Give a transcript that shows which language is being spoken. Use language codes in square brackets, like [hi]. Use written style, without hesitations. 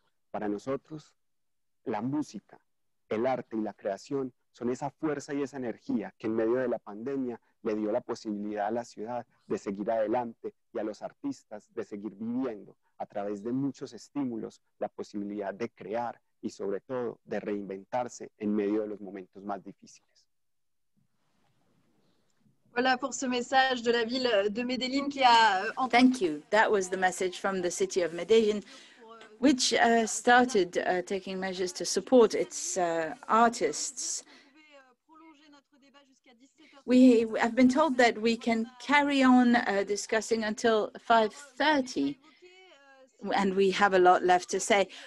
[es] Para nosotros, la música, el arte y la creación son esa fuerza y esa energía que en medio de la pandemia le dio la posibilidad a la ciudad de seguir adelante y a los artistas de seguir viviendo a través de muchos estímulos la posibilidad de crear y sobre todo de reinventarse en medio de los momentos más difíciles. [fr] Voilà pour ce message de la ville de Medellín qui a... [en] Thank you. That was the message from the city of Medellín, which started taking measures to support its artists. We have been told that we can carry on discussing until 5:30, and we have a lot left to say.